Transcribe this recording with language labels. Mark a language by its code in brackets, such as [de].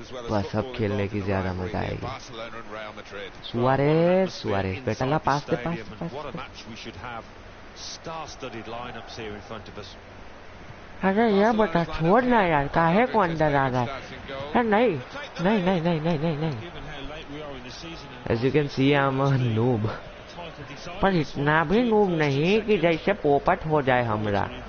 [hi] बस अब खेलने की ज्यादा मजा आएगी। सुआरेस, सुआरेस बेटा ला पास दे पास दे पास दे। [en] Star-studded lineups here in front of us. [hi] अरे ये बता छोड़ ना यार, काहे को अंदर आ रहा है? नहीं नहीं नहीं नहीं नहीं नहीं नहीं। [en] As you can see, I'm a noob. [hi] पर इतना भी नूब नहीं कि जैसे पोपट हो जाए हमरा।